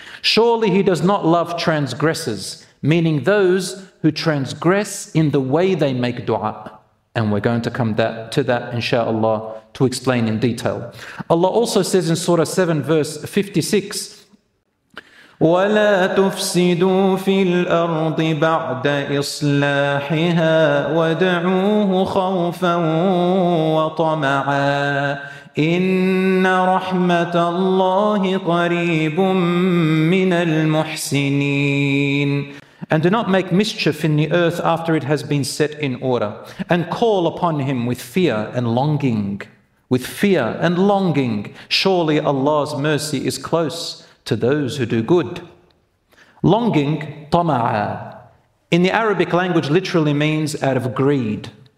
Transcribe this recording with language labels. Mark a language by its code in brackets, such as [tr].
[en] Surely He does not love transgressors, meaning those who transgress in the way they make dua. And we're going to come to that, inshallah, to explain in detail. Allah also says in Surah 7, verse 56, [ar] ولا تفسدوا في الأرض بعد إصلاحها وادعوه خوفا وطمعا إن رحمة الله قريب من المحسنين. [en] And do not make mischief in the earth after it has been set in order, and call upon him with fear and longing, with fear and longing. Surely Allah's mercy is close to those who do good. Longing, tama'a, in the Arabic language literally means out of greed.